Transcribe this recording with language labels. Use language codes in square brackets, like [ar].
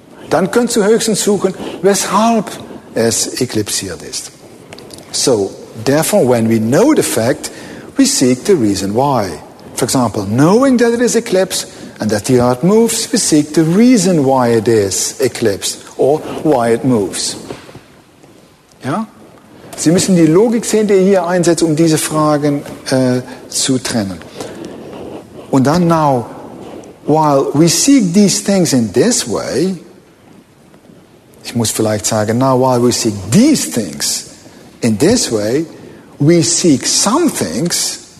[de] Dann könntest du höchstens suchen, weshalb es eklipsiert ist. [en] So, therefore, when we know the fact, we seek the reason why. For example, knowing that it is eclipsed and that the earth moves, we seek the reason why it is eclipsed or why it moves. [de] Ja? Sie müssen die Logik sehen, die hier einsetzt, um diese Fragen zu trennen. Und dann [en] now, while we seek these things in this way, [de] ich muss vielleicht sagen, [en] now while we seek these things in this way, we seek some things